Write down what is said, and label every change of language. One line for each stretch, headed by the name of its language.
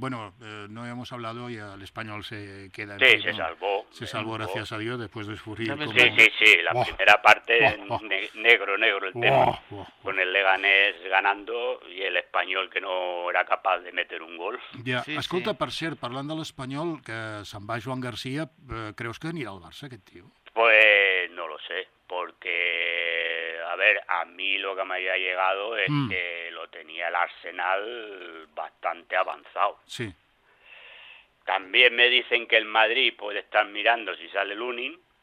Spanish: Bueno, no hemos hablado y al Español se queda... Sí, se salvó. Se salvó, gracias a Dios, después de sufrir... Primera parte, negro el tema. Con el Leganés ganando y el Español que no era capaz de meter un gol.
Catalan: Ja, sí, escolta, sí. Per cert, parlant de l'Espanyol, que se'n va Joan García, creus que anirà al Barça, aquest tio?
Spanish: Pues no lo sé, porque... A ver, a mí lo que me había llegado es que lo tenía el Arsenal bastante avanzado. Sí. También me dicen que el Madrid puede estar mirando si sale Lunin.